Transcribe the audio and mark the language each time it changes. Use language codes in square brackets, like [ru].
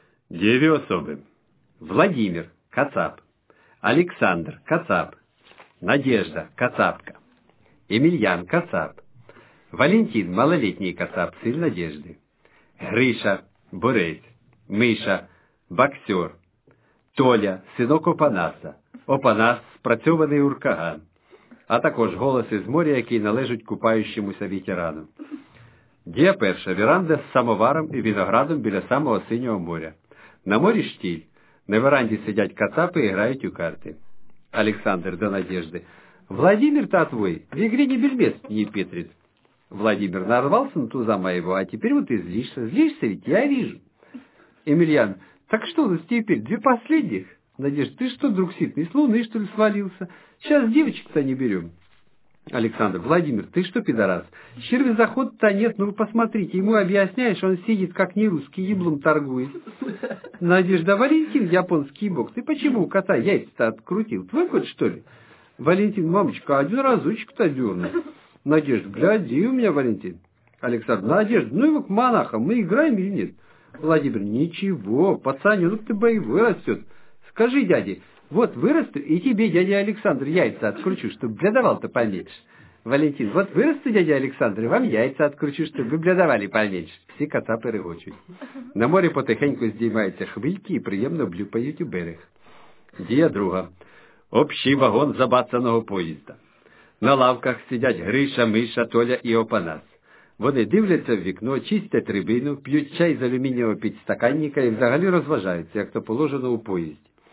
[uk] Дієві особи: Владимир – кацап, Олександр – кацап, Надежда – кацапка, Емельян – кацап, Валентин – малолітній кацап, син Надежди, Гриша – борець, Миша – боксер, Толя – синок Опанаса, Опанас – спрацьований уркаган, а також голоси з моря, які належать купаючомуся ветерану. Дія перша – веранда з самоваром і виноградом біля самого синього моря. На морі штіль. На веранді сидять кацапи і грають у карти. Олександр до Надежди. [ru] Владимир та твой, в ігрі не більмест, не петрит. Владимир, нарвался на туза моего, а теперь вот и злишься. Злишься ведь, я вижу. Емельян, так что у нас теперь две последних? Надежда, ты что, друг ситный, с луны, что ли, свалился? Сейчас девочек-то не берем. Александр, Владимир, ты что, пидорас? Червь захода-то нет, ну вы посмотрите, ему объясняешь, он сидит, как не русский, еблом торгует. Надежда, Валентин, японский бог, ты почему у кота яйца-то открутил? Твой кот, что ли? Валентин, мамочка, один разочек-то дернул. Надежда, гляди у меня, Валентин. Александр, Надежда, ну его к монахам, мы играем или нет? Владимир, ничего, пацаненок ты боевой растет. Скажи, дядя. Вот вырасту, и тебе, дядя Александр, яйца откручу, чтобы блядовал-то поменьше. Валентин, вот вырасту, дядя Александр, и вам яйца откручу, чтобы вы блядовали поменьше. Все кацапы рыгочут. [uk] На море потихоньку здіймаються хвильки и приємно блюпають у берег. Дія друга. [ru] Общий вагон [uk] забацаного поїзда. На лавках сидять Гриша, Миша, Толя і Опанас. Вони дивляться в вікно, чистять рибину, п'ють чай з алюмінієвого підстаканника і взагалі розважаються, як то положено у поїзді.